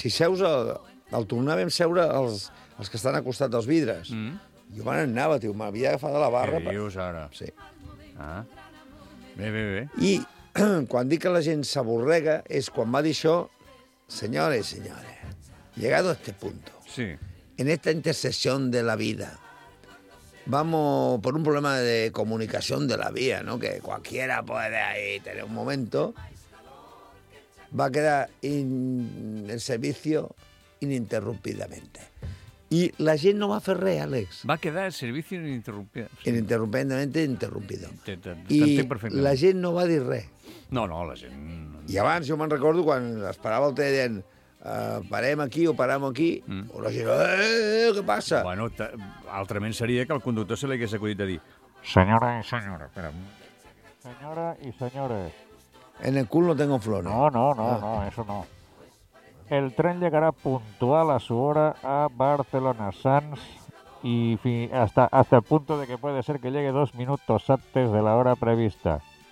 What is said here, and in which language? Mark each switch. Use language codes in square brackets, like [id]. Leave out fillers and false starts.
[ca] Si seus, el tornàvem a seure els que estan al costat dels vidres. Jo me n'anava, tio, m'havia agafat de la barra. Què dius, ara? Sí. Ah. Bé. I quan dic que la gent s'avorrega és quan va dir això, senyores, senyores, [es] llegado a este punto, [ca] sí, [es] en esta intersección de la vida, vamos por un problema de comunicación de la vía, ¿no? Que cualquiera puede ahí tener un momento. Va a quedar el servicio ininterrumpidamente. Y la gente no va a hacer re, Alex. Va a quedar el servicio ininterrumpidamente. Ininterrumpidamente interrumpido. Y la gente no va a decir re. No, la gente... Y abans, yo me recuerdo cuando esperaba el té dient... [ca] parem aquí o parem aquí, o la gent, què passa? Bueno, altrament seria que el conductor se li hagués acudit a dir senyora i senyores. [es] En el cul no tengo flores. No, eso no. El tren llegarà puntual a su hora a Barcelona Sants y hasta el punto de que puede ser que llegue 2 minutos antes de la hora prevista.